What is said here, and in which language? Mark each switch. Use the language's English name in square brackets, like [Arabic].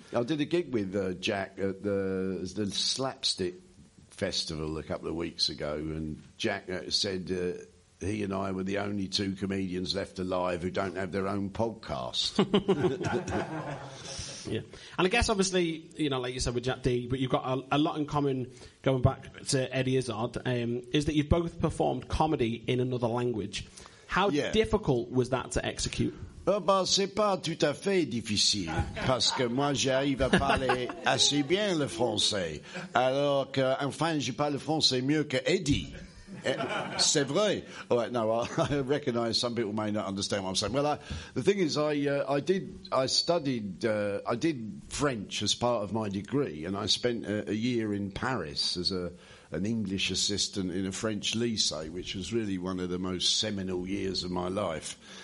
[English] I did a gig with Jack at the Slapstick Festival a couple of weeks ago, and Jack said he and I were the only two comedians left alive who don't have their own podcast. Yeah, and I guess obviously, you know, like you said with Jack D, but you've got a lot in common going back to Eddie Izzard, is that you've both performed comedy in another language. How difficult was that to execute? [French] C'est pas tout à fait difficile, parce que moi j'arrive à parler assez bien le français, alors que enfin je parle français mieux que Eddie. C'est vrai. [English] All right, no, I recognise some people may not understand what I'm saying. Well, the thing is, I did French as part of my degree, and I spent a year in Paris as an English assistant in a French lycée, which was really one of the most seminal years of my life.